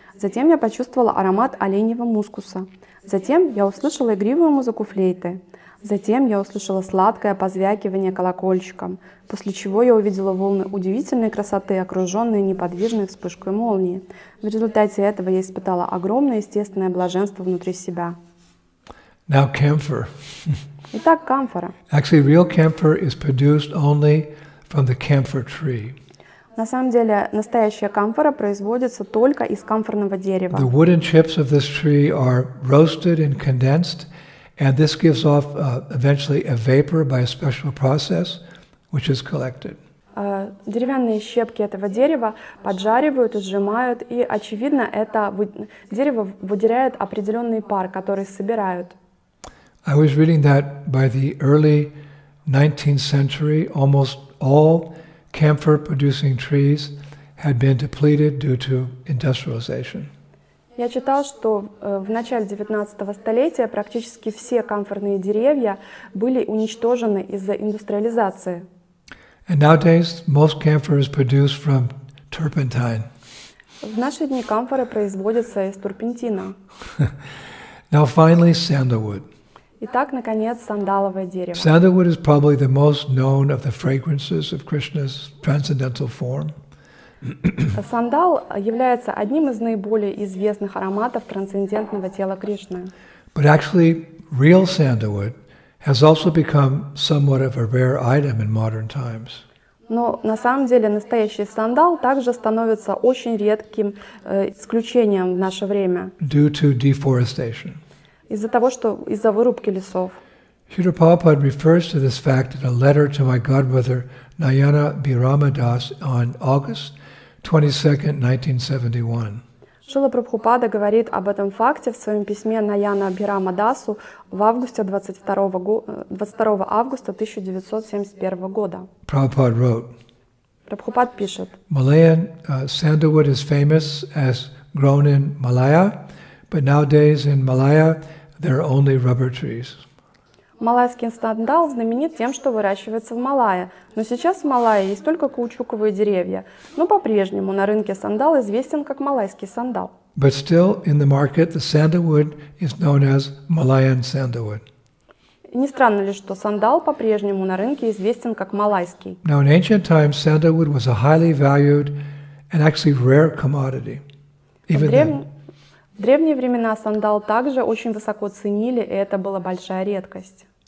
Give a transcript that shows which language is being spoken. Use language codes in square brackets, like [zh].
[ru] Затем я почувствовала аромат оленьего мускуса. Затем я услышала игривую музыку флейты. Затем я услышала сладкое позвякивание колокольчиком, после чего я увидела волны удивительной красоты, окруженные неподвижной вспышкой молнии. В результате этого я испытала огромное естественное блаженство внутри себя. [en] Now camphor. [ru] Итак, камфора. [en] Actually, real camphor is produced only from the camphor tree. [ru] На самом деле, настоящая камфора производится только из камфорного дерева. [en] The wooden chips of this tree are roasted and condensed, and this gives off eventually a vapor by a special process, which is collected. [ru] Деревянные щепки этого дерева поджаривают и сжимают, и очевидно, это дерево выделяет определенный пар, который собирают. [en] I was reading that by the early 19th century, almost all camphor-producing trees had been depleted due to industrialization. [ru] Я читал, что в начале 19-го столетия практически все камфорные деревья были уничтожены из-за индустриализации. [en] And nowadays, most camphor is produced from turpentine. [ru] В наши дни камфоры производятся из турпентина. [en] Now, finally, sandalwood. [ru] Итак, наконец, сандаловое дерево. [en] Sandalwood is probably the most known of the fragrances of Krishna's transcendental form. [ru] Сандал является одним из наиболее известных ароматов трансцендентного тела Кришны. [en] But actually, real sandalwood has also become somewhat of a rare item in modern times. [ru] Но на самом деле настоящий сандал также становится очень редким исключением в наше время. [en] Due to deforestation. [ru] Из-за вырубки лесов. [en] Śrīla Prabhupāda refers to this fact in a letter to my godmother Nayana Biramadas on August 22, 1971. [ru] Śrīla Prabhupāda говорит об этом факте в своем письме Nayana Biramadasu в августе 22 августа 1971 года. [en] Prabhupāda wrote. [ru] Prabhupāda пишет. [en] Malayan sandalwood is famous as grown in Malaya, but nowadays in Malaya there are only rubber trees. [ru] Малайский сандал знаменит тем, что выращивается в Малайе, но сейчас в Малайе есть только каучуковые деревья. Но по-прежнему на рынке сандал известен как малайский сандал. [en] But still in the market the sandalwood is known as Malayan sandalwood. [ru] Не странно ли, что сандал по-прежнему на рынке известен как малайский? [en] Now in ancient times sandalwood was a highly valued and actually rare commodity. [ru] В древние времена сандал также очень высоко ценили, и это была большая редкость.